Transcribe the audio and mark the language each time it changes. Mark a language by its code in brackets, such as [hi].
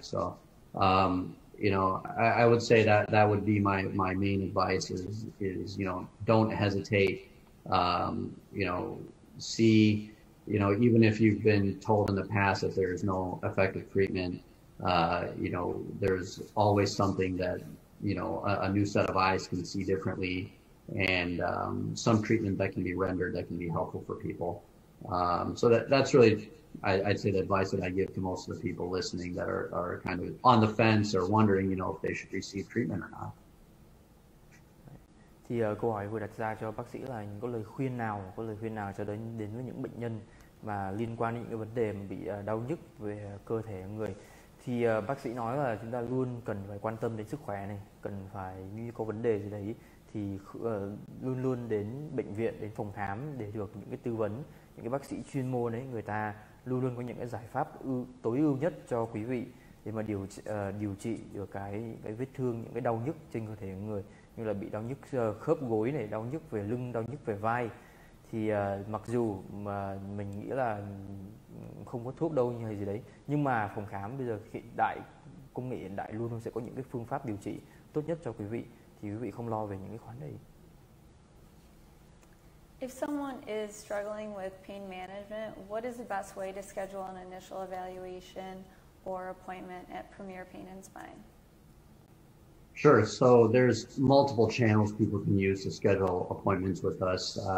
[en] So, you know, I would say that would be my main advice is, you know, don't hesitate, you know, see, you know, even if you've been told in the past that there is no effective treatment, you know, there's always something that, you know, a new set of eyes can see differently, and some treatment that can be rendered that can be helpful for people. So that's really, I'd say, the advice that I give to most of the people listening that are kind of on the fence or wondering, you know, if they should receive treatment or not. [vi] Thì câu hỏi vừa đặt ra cho bác sĩ là có lời khuyên nào cho đến với những bệnh nhân mà liên quan đến những cái vấn đề mà bị đau nhức về cơ thể người. Thì bác sĩ nói là chúng ta luôn cần phải quan tâm đến sức khỏe này, cần phải như có vấn đề gì đấy thì luôn luôn đến bệnh viện, đến phòng khám để được những cái tư vấn, những cái bác sĩ chuyên môn ấy, người ta luôn luôn có những cái giải pháp tối ưu nhất cho quý vị để mà điều trị được cái vết thương, những cái đau nhức trên cơ thể người, như là bị đau nhức khớp gối này, đau nhức về lưng, đau nhức về vai. Thì mặc dù mà mình nghĩ là không có thuốc đâu hay gì đấy, nhưng mà phòng khám bây giờ hiện đại, công nghệ hiện đại luôn sẽ có những cái phương pháp điều trị tốt nhất cho quý vị, thì quý vị không lo về những cái khoản đấy. [en] If someone is struggling with pain management, what is the best way to schedule an initial evaluation or appointment at Premier Pain and Spine? Sure. So there's multiple channels people can use to schedule appointments with us.